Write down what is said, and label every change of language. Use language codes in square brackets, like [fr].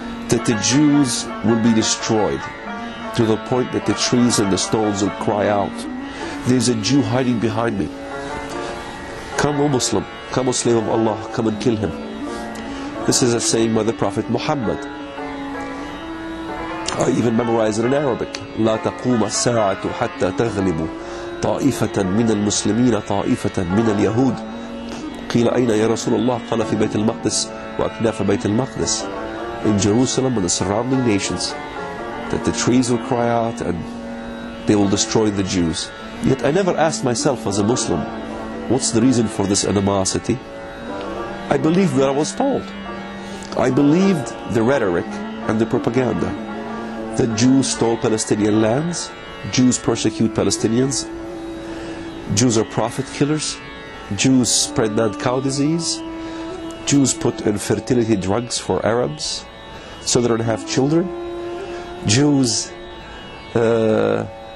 [en] That the Jews will be destroyed to the point that the trees and the stones will cry out, there's a Jew hiding behind me. Come, O Muslim, come, O slave of Allah, come and kill him. This is the same by the Prophet Muhammad. I even memorized it in Arabic. [ar] لا تقوم الساعة حتى تغلبوا طائفة من المسلمين طائفة من اليهود. قيل أين يا رسول الله؟ قال في بيت المقدس وأكناف بيت المقدس. [en] In Jerusalem and the surrounding nations, that the trees will cry out and they will destroy the Jews. Yet I never asked myself as a Muslim, what's the reason for this animosity? I believed what I was told. I believed the rhetoric and the propaganda that Jews stole Palestinian lands, Jews persecute Palestinians, Jews are prophet killers, Jews spread mad cow disease, Jews put infertility drugs for Arabs so they don't have children, Jews, the